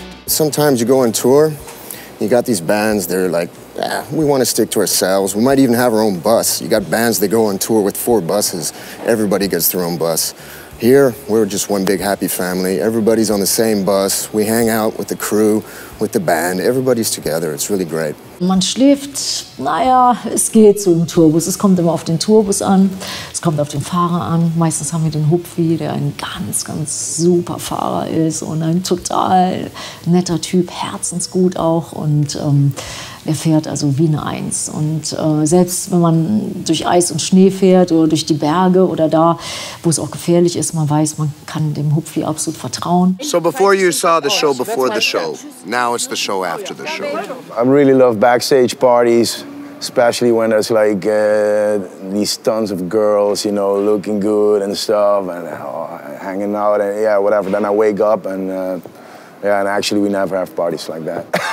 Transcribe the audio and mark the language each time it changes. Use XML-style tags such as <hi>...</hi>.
<en>Sometimes you go on tour, you got these bands, they're like Yeah, we want to stick to ourselves. We might even have our own bus. You got bands that go on tour with four buses. Everybody gets their own bus. Here, we're just one big happy family. Everybody's on the same bus. We hang out with the crew, with the band. Everybody's together. It's really great.</en> <de>Man schläft, naja, es geht so im Tourbus. Es kommt immer auf den Tourbus an. Es kommt auf den Fahrer an. Meistens haben wir den Hupfi, der ein ganz, ganz super Fahrer ist und ein total netter Typ, herzensgut auch. Und er fährt also wie eine Eins. Und selbst wenn man durch Eis und Schnee fährt oder durch die Berge oder da, wo es auch gefährlich ist, man weiß, man kann dem Hupfi absolut vertrauen.</de> <en>So before you saw the show before the show, now it's the show after the show. I really love backstage parties, especially when there's like these tons of girls, you know, looking good and stuff, and hanging out, and yeah, whatever. Then I wake up and yeah, and actually we never have parties like that.</en>